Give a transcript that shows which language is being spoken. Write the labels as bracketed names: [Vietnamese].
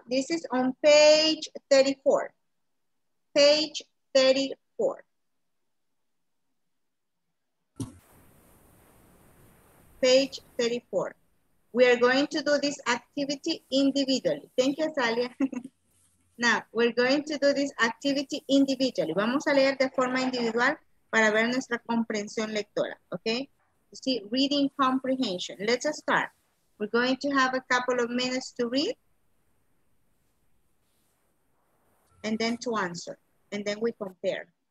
[English] This is on page 34. Page 34. Page 34. We are going to do this activity individually. Thank you, Salia. Now, we're going to do this activity individually. [Spanish] Vamos a leer de forma individual para ver nuestra comprensión lectora, okay? [English] You see, reading comprehension. Let's start. We're going to have a couple of minutes to read and then to answer, and then we compare.